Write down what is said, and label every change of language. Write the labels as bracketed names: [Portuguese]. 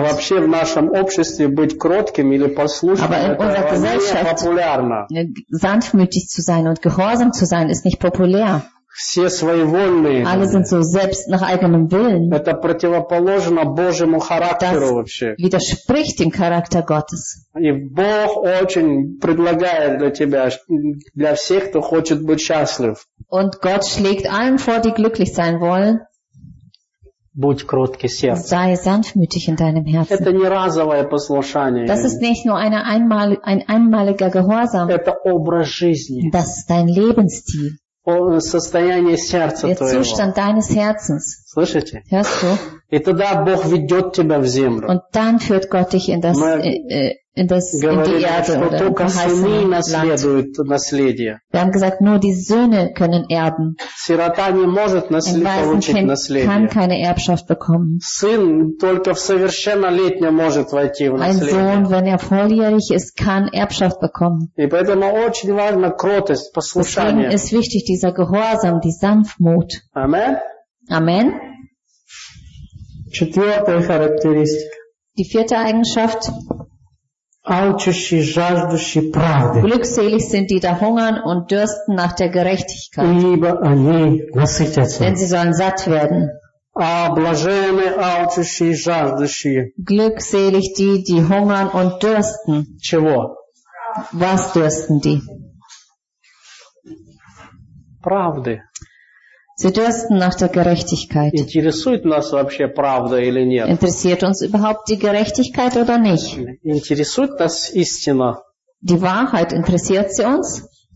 [Russian] А вообще в нашем обществе быть кротким или послушным [German] sanftmütig zu sein und gehorsam zu sein ist nicht populär. [Russian] Все своевольные. [German] Alle sind so selbst nach eigenem Willen. [Russian] Это противоположно Божьему характеру вообще. [German] Das widerspricht dem Charakter Gottes. [Russian] И Бог очень предлагает для тебя, для всех, кто хочет быть счастлив. [German] Und Gott schlägt allen vor, die glücklich sein wollen. [Russian] Будь кроткий сердцем. [German] Sei sanftmütig in deinem Herzen. [Russian] Это не разовое послушание. [German] Das ist nicht nur ein einmaliger Gehorsam. [Russian] Это образ жизни. [German] Das ist dein Lebensstil. [Russian] Состояние сердца твоего. [German] Der Zustand deines Herzens. [Russian] Слышите? [German] Hörst du? [Russian] И тогда Бог ведет тебя в землю. [German] Und dann führt Gott dich in das, in die Erde oder in die Heilige. Wir haben gesagt, nur die Söhne können erben. [Russian] Сирота не может получить наследие. [German] Ein Waisenkind kann keine Erbschaft bekommen. [Russian] Сын только в совершеннолетнем может войти в наследие. [German] Ein Sohn, wenn er volljährig ist, kann Erbschaft bekommen. [Russian] И поэтому очень важно кротость, послушание. [German] Deswegen ist wichtig dieser Gehorsam, die Sanftmut. Amen. Amen. [Russian] Четвертая характеристика. [German] Die vierte Eigenschaft. [Russian] Алчущие, жаждущие правды. [German] Glückselig sind die, da hungern und dürsten nach der Gerechtigkeit. [Russian] Ибо они насытятся. [German] Denn sie sollen satt werden. [Russian] А блаженны, алчущие, жаждущие. [German] Glückselig die, die hungern und dürsten. [Russian] Чего? [German] Was dürsten die? [Russian] Правды. [German] Sie dürsten nach der Gerechtigkeit. [Russian] Интересует нас вообще правда или нет? [German] Interessiert uns überhaupt die Gerechtigkeit oder nicht? [Russian] Интересует нас истина? [German] Die Wahrheit interessiert sie uns?